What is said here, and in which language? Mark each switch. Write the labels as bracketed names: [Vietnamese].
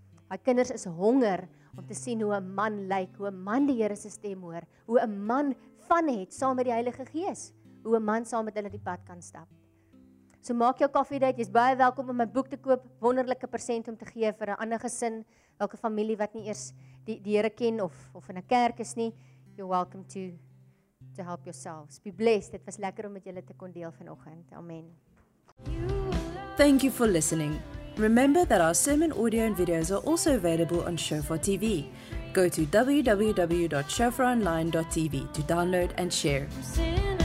[Afrikaans] My kinders is honger om te sien hoe 'n man lyk, hoe 'n man die Here se stem hoor, hoe 'n man van het saam met die Heilige Gees, hoe 'n man saam met hulle die pad kan stap. So maak jou koffie date, jy's baie welkom om my boek te koop, wonderlike persent om te gee vir 'n ander gesin, elke familie wat nie eers die Here ken of in 'n kerk is nie. [English] You're welcome to help yourselves. Be blessed. [Afrikaans] Dit was lekker om met julle te kon deel vanoggend. Amen. [English] Thank you for listening. Remember that our sermon audio and videos are also available on Shofar TV. Go to www.shofaronline.tv to download and share.